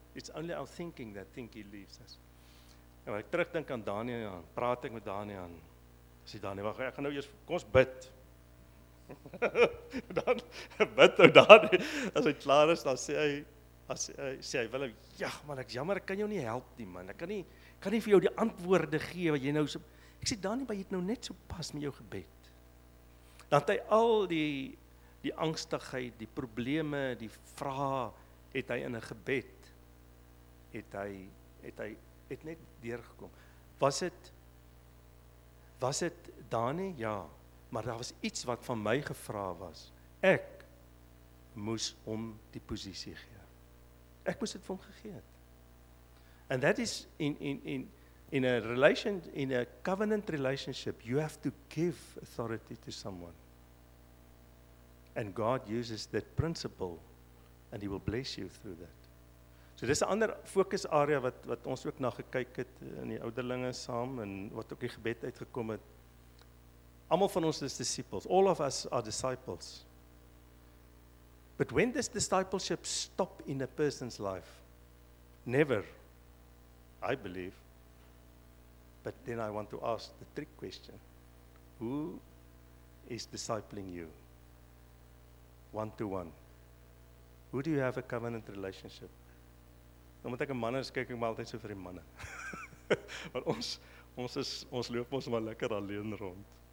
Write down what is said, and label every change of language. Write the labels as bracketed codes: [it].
[en] It's only our thinking that think he leaves us. [af] En ek terugdink aan Daniël, praat ek met Daniël. Sê Daniël, wag, ek gaan nou eers kom ons bid. Dan bid ou Daniël, as hy klaar is, dan sê hy Willem, ja, man, ek jammer, ek kan jou nie help nie, man. Ek kan nie vir jou die antwoorde gee wat jy nou so. Ek sê Daniël, jy het nou net so pas met jou gebed. Dan het hy al die angstigheid, die probleme, die vrae, het hy in 'n gebed, het hy, het net deurgekom. Was het daar nie? Ja. Maar daar was iets wat van my gevra was. Ek moes hom die posisie gee. Ek moes dit vir hom gegee het. [en] And that is in a relation, in a covenant relationship, you have to give authority to someone. And God uses that principle and he will bless you through that. [af] So dis 'n ander fokus area wat ons ook na gekyk het in die ouderlinge saam en wat ook die gebed uitgekom het. Almal van ons is disciples. [en] All of us are disciples. But when does discipleship stop in a person's life? Never, I believe. But then I want to ask the trick question. Who is discipling you? One-to-one. Who do you have a covenant relationship? [af] Omdat ek 'n man is, kyk ek maar altyd so vir die manne. Want ons loop ons maar lekker alleen rond.